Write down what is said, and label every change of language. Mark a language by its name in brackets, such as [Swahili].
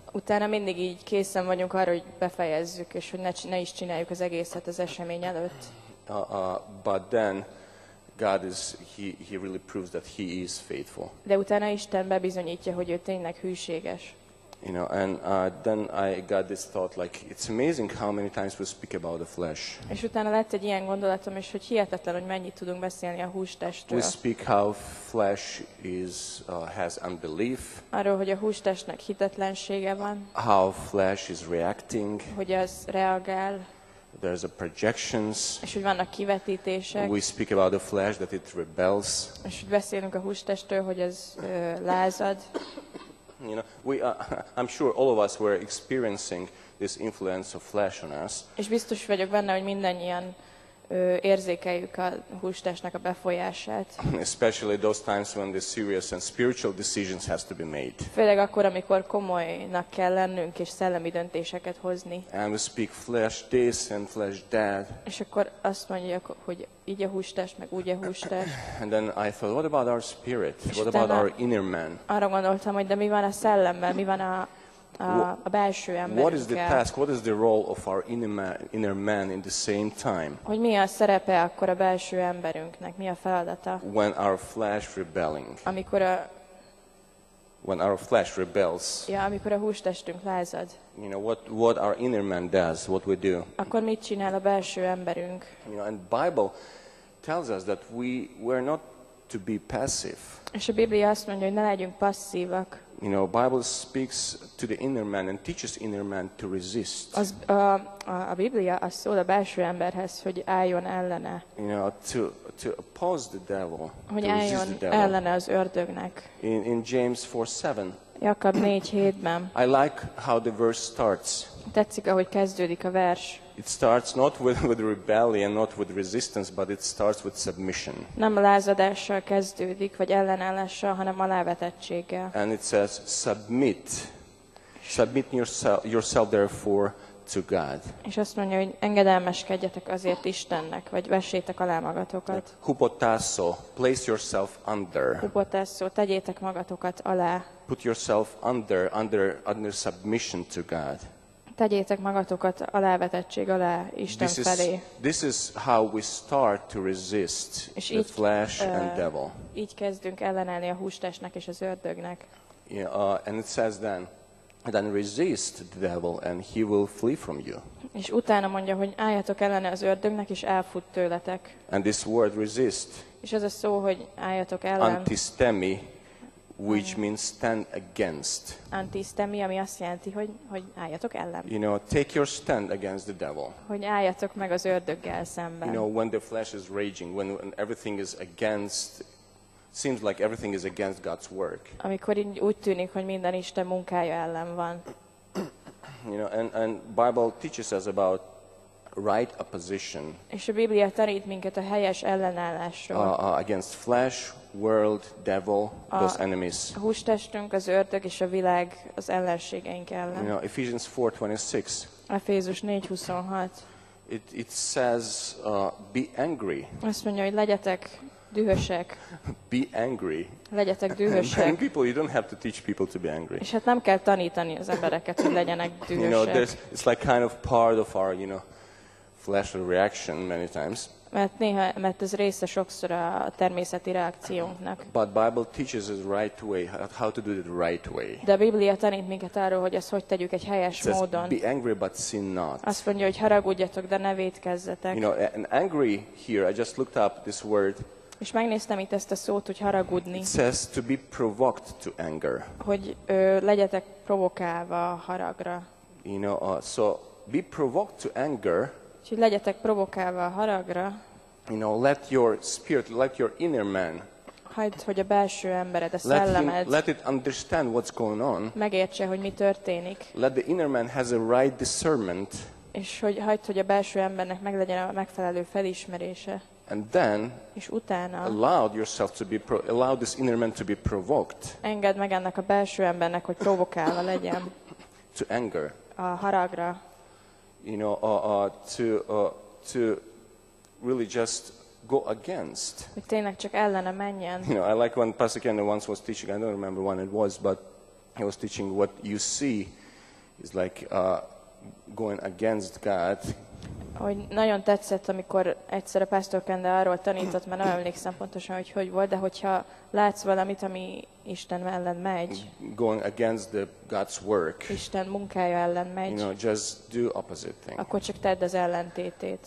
[Hungarian] Utána mindig így készen vagyunk arra, hogy befejezzük és hogy ne is csináljuk az egészet az esemény előtt. [English] But then God is he really proves that he is faithful. [Hungarian] De utána Isten bebizonyítja, hogy ő tényleg hűséges. [English] You know, and then I got this thought, like, it's amazing how many times we speak about the flesh. [Hungarian] És utána lett egy ilyen gondolatom, és hogy hihetetlen, hogy mennyit tudunk beszélni a hústestről. [English] We speak how flesh is has unbelief. [Hungarian] Arról, hogy a hústestnek hitetlensége van. [English] How flesh is reacting. [Hungarian] Hogy az reagál. [English] There's a projections. [Hungarian] És hogy vannak kivetítések. [English] We speak about the flesh that it rebels. [Hungarian] És hogy beszélünk a hústestről, hogy ez lázad. [English] You know, I'm sure all of us were experiencing this influence of flesh on us. [Hungarian] És biztos vagyok benne, hogy mindannyian érzékeljük a hústestnek a befolyását. [English] Especially those times when the serious and spiritual decisions has to be made. [Hungarian] Főleg akkor, amikor komolynak kell lennünk és szellemi döntéseket hozni. [English] And we speak flesh this and flesh that. [Hungarian] És akkor azt mondjuk, hogy így a hústest, meg úgy a hústest. [English] And then I thought, what about our spirit? What about our inner man? [Hungarian] Arra gondoltam, hogy de mi van a szellemmel, mi van a belső emberünkkel. [English] What is the task? What is the role of our inner man in the same time? [Hungarian] Hogy mi a szerepe akkor a belső emberünknek? Mi a feladata? [English] When our flesh rebelling. [Hungarian] Amikor a [English] when our flesh rebels. [Hungarian] Ja, amikor a hústestünk lázad. [English] You know what our inner man does, what we do. [Hungarian] Akkor mit csinál a belső emberünk? [English] You know, and Bible tells us that we're not to be passive. [Hungarian] És a Biblia azt mondja, hogy ne legyünk passzívak. [English] You know, Bible speaks to the inner man and teaches inner man to resist. [Hungarian] A Biblia azt szól a belső emberhez, hogy álljon ellene. [English] You know, to oppose the devil. [Hungarian] Hogy [English] to [Hungarian] álljon [English] resist the devil. [Hungarian] Ellene az ördögnek. [English] In James 4:7. [Hungarian] Jakab 4:7. [English] I like how the verse starts. [Hungarian] Tetszik, ahogy kezdődik a vers. [English] It starts not with rebellion, not with resistance, but it starts with submission. [Hungarian] Nem lázadással kezdődik, vagy ellenállással, hanem alávetettséggel. [English] And it says, submit. Submit yourself therefore to God. [Hungarian] És azt mondja, hogy engedelmeskedjetek azért Istennek, vagy vessétek alá magatokat. [English] Hupotasso, place yourself under. [Hungarian] Hupotasso, tegyétek magatokat alá. [English] Put yourself under submission to God. [Hungarian] Tegyétek magatokat alávetettség alá Isten felé. [English] This is how we start to resist the flesh and devil. [Hungarian] Így kezdünk ellenállni a hústestnek és az ördögnek. [English] Yeah, and it says then resist the devil and he will flee from you. [Hungarian] És utána mondja, hogy álljatok ellene az ördögnek és elfut tőletek. [English] And this word resist. [Hungarian] És ez a szó, hogy álljatok ellen. [English] Antistemi, which means stand against. [Hungarian] Antistemi, ami azt jelenti, hogy álljatok ellen. [English] You know, take your stand against the devil. [Hungarian] Hogy álljatok meg az ördöggel szemben. [English] You know, when the flesh is raging, when everything is against, seems like everything is against God's work. [Hungarian] Amikor úgy tűnik, hogy minden Isten munkája ellen van. [English] You know, and Bible teaches us about right opposition. [Hungarian] És a Biblia tanít minket a helyes ellenállásról. [English] Against flesh, world, devil, those enemies. [Hungarian] A hústestünk, az ördög és a világ az ellenségeink ellen. [English] You know, Ephesians 4:26. [Hungarian] Efézus 4:26. [English] It says, be angry. [Hungarian] Azt mondja, hogy legyetek dühösek. [English] Be angry. [Hungarian] Legyetek dühösek. [English] And people, you don't have to teach people to be angry. [Hungarian] És hát nem kell tanítani az embereket, hogy legyenek dühösek. [English] You know, it's like kind of part of our, you know, flesh reaction many times. [Hungarian] mert ez része sokszor a természeti reakciónknak. [English] But Bible teaches us right way, how to do it right way. [Hungarian] De a Biblia tanít minket arról, hogy ezt hogy tegyük egy helyes módon. [English] Be angry but sin not. [Hungarian] Azt mondja, hogy haragudjatok, de ne vétkezzetek. [English] You know, and angry here, I just looked up this word. [Hungarian] És megnéztem itt ezt a szót, hogy haragudni. [English] It says to be provoked to anger. [Hungarian] Hogy legyetek provokálva a haragra. [English] You know, so be provoked to anger. [Hungarian] Úgyhogy legyetek provokálva a haragra. [English] You know, let your spirit, let your inner man. [Hungarian] Hagyd, hogy a belső embered, a szellemed. [English] Let it understand what's going on. [Hungarian] Megértse, hogy mi történik. [English] Let the inner man has a right discernment. [Hungarian] És hogy hagyd, hogy a belső embernek meglegyen a megfelelő felismerése. [English] And then, [Hungarian] és utána, [English] allow yourself to be allow this inner man to be provoked. [Hungarian] Engedd meg ennek a belső embernek, hogy provokálva legyen. [English] To anger. [Hungarian] A haragra. [English] You know, to really just go against. [Hungarian] Hogy tényleg csak ellene menjen. [English] You know, I like when Pastor Kende once was teaching. I don't remember when it was, but he was teaching what you see is like going against God. [Hungarian] Hogy nagyon tetszett, amikor egyszer a Pastor Kende arról tanított, mert nem emlékszem pontosan, hogy hogy volt, de hogyha látsz valamit, ami Isten ellen megy. [English] Going against the God's work. [Hungarian] Isten munkája ellen megy. [English] You know, just do opposite thing. [Hungarian] Akkor csak tedd az ellentétét.